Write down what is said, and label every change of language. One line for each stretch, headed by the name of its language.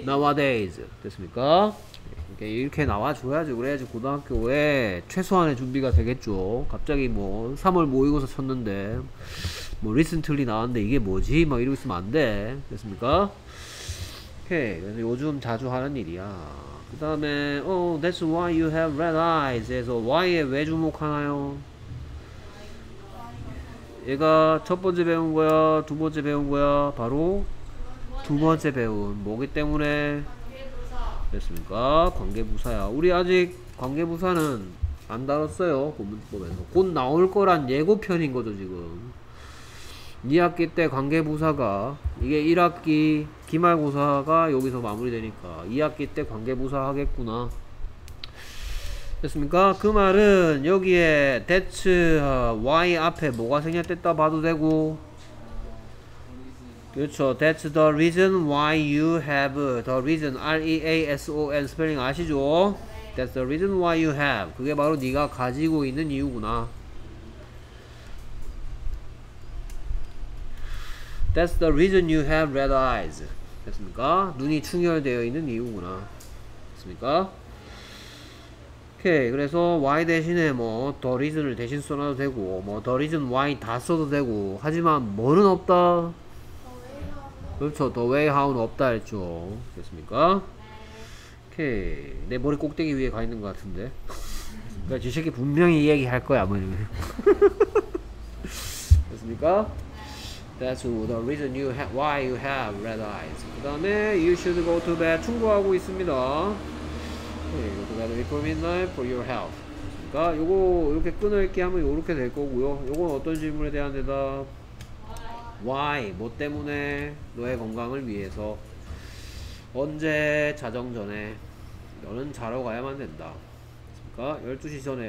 Korean: Nowadays. 됐습니까? 이렇게 나와줘야지. 그래야지 고등학교에 최소한의 준비가 되겠죠. 갑자기 뭐 3월 모의고사 쳤는데 뭐 recently 나왔는데 이게 뭐지? 막 이러고 있으면 안 돼. 됐습니까? 오케이. 그래서 요즘 자주 하는 일이야. 그 다음에
English: Oh, that's why you have red eyes.
Korean: 그래서 why에 왜 주목하나요? 얘가 첫 번째 배운 거야? 두 번째 배운 거야? 바로 두 번째 배운 뭐기 때문에? 됐습니까? 관계부사야. 우리 아직 관계부사는 안 다뤘어요. 본문법에서. 곧 나올 거란 예고편인 거죠, 지금. 2학기 때 관계부사가 이게 1학기 기말고사가 여기서 마무리되니까 2학기 때 관계부사 하겠구나. 됐습니까? 그 말은 여기에 that's why 앞에 뭐가 생략됐다 봐도 되고 그렇죠.
English: That's the reason why you have the reason. R-E-A-S-O-N
Korean: 스펠링 아시죠?
English: That's the reason why you have.
Korean: 그게 바로 네가 가지고 있는 이유구나.
English: That's the reason you have red eyes.
Korean: 됐습니까? 눈이 충혈되어 있는 이유구나. 됐습니까? 오케이. 그래서 why 대신에 뭐 the reason을 대신 써놔도 되고 뭐 the reason why 다 써도 되고 하지만 뭐는 없다. 그렇죠. The way how는 없다 했죠. 됐습니까? 오케이. 내 머리 꼭대기 위에 가 있는 것 같은데. 그러니까 저 새끼 분명히 이 얘기 할 거야. 아무리. 됐습니까?
English: That's the reason you have, why you have red eyes.
Korean: 그 다음에
English: you should go to bed.
Korean: 충고하고 있습니다.
English: Okay. Go to bed before midnight for your health.
Korean: 됐습니까? 요거 이렇게 끊을게 하면 요렇게 될 거고요. 요건 어떤 질문에 대한 대답? Why? 뭐 때문에? 너의 건강을 위해서. 언제? 자정 전에. 너는 자러 가야만 된다. 됐습니까? 12시 전에.